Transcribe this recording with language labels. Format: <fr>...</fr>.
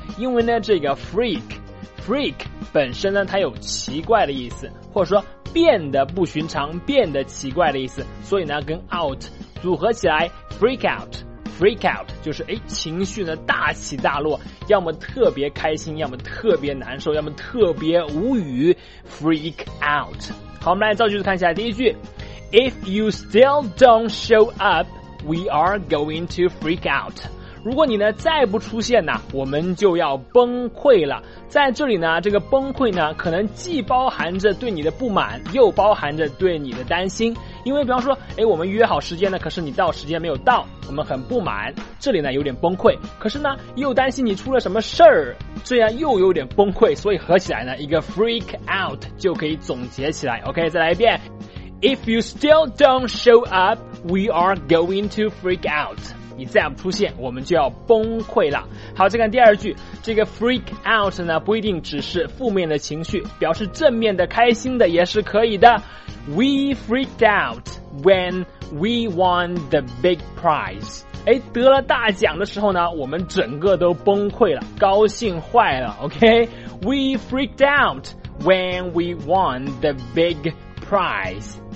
<zh>因为呢，这个 freak 本身呢，它有奇怪的意思，或者说变得不寻常、变得奇怪的意思，所以呢，跟 out 组合起来 freak out 就是哎，情绪呢大起大落，要么特别开心，要么特别难受，要么特别无语 freak out。好，我们来造句子看一下第一句。</zh> <en>If you still don't show up, we are going to freak out.</en> <zh>如果你呢再不出现呢，我们就要崩溃了。在这里呢，这个崩溃呢，可能既包含着对你的不满，又包含着对你的担心。因为比方说，哎，我们约好时间呢，可是你到时间没有到，我们很不满，这里呢有点崩溃。可是呢，又担心你出了什么事儿，这样又有点崩溃。所以合起来呢，一个 freak out 就可以总结起来。OK， 再来一遍。</zh> <en>If you still don't show up, we are going to freak out.</en> <zh>你再不出现，我们就要崩溃了。好，再看第二句，这个 freak out 呢，不一定只是负面的情绪，表示正面的、开心的也是可以的。</zh> <en>We freaked out when we won the big prize.</en> <zh>哎，得了大奖的时候呢，我们整个都崩溃了，高兴坏了。</zh> <en>OK, we freaked out when we won the big prize.</en>